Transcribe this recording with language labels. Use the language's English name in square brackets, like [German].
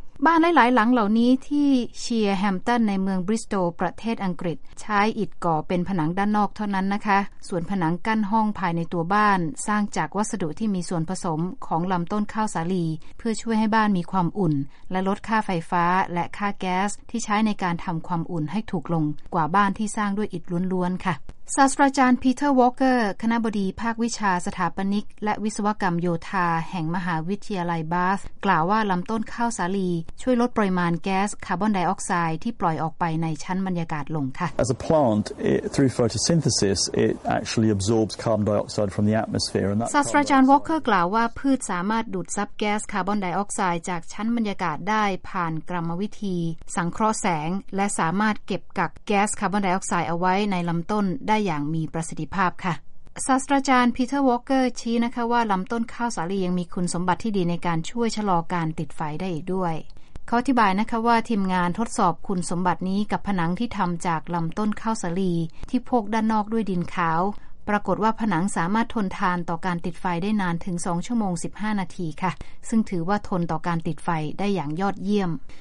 [Thai] บ้านหลายหลังเหล่านี้ที่เชียร์แฮมตันในเมืองบริสโตลประเทศอังกฤษใช้อิฐก่อเป็นผนังด้านนอกเท่านั้นนะคะส่วนผนังกั้นห้องภายในตัวบ้านสร้างจากวัสดุที่มีส่วนผสมของลำต้นข้าวสาลีเพื่อช่วยให้บ้านมีความอุ่นและลดค่าไฟฟ้าและค่าแก๊สที่ใช้ในการทำความอุ่นให้ถูกลงกว่าบ้านที่สร้างด้วยอิฐล้วนๆค่ะ ศาสตราจารย์พีเตอร์วอลเกอร์คณบดีภาควิชาสถาปนิกและวิศวกรรมโยธาแห่งมหาวิทยาลัยบาสกล่าวว่าลำต้นข้าวสาลีช่วยลดปริมาณแก๊สคาร์บอนไดออกไซด์ที่ปล่อยออกไปในชั้นบรรยากาศลงค่ะ [English] As a plant through photosynthesis it actually absorbs carbon dioxide from the atmosphere and [Thai] ศาสตราจารย์วอลเกอร์กล่าวว่าพืชสามารถดูดซับแก๊สคาร์บอนไดออกไซด์จากชั้นบรรยากาศได้ผ่านกรรมวิธีสังเคราะห์แสงและสามารถเก็บกักแก๊สคาร์บอนไดออกไซด์เอาไว้ในลำต้นได้อย่างมีประสิทธิภาพค่ะ ศาสตราจารย์พีเตอร์วอลเกอร์ชี้นะคะว่าลำต้นข้าวสาลียังมีคุณสมบัติที่ดีในการช่วยชะลอการติดไฟได้อีกด้วยเขาอธิบายนะคะว่าทีมงานทดสอบคุณสมบัตินี้กับผนังที่ทำจากลำต้นข้าวสาลีที่โพกด้านนอกด้วยดินขาวปรากฏว่าผนังสามารถทนทานต่อการติดไฟได้นานถึง2ชั่วโมง15นาทีค่ะซึ่งถือว่าทนต่อการติดไฟได้อย่างยอดเยี่ยม